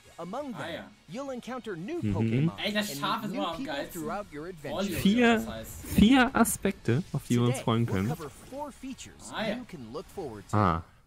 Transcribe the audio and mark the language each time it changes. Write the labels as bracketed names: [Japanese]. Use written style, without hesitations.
[English] Among them, you'll encounter new Pokémon and new people throughout your adventure. [German] Vier Aspekte, auf die wir uns freuen können. [English] We'll cover four features you can look forward to.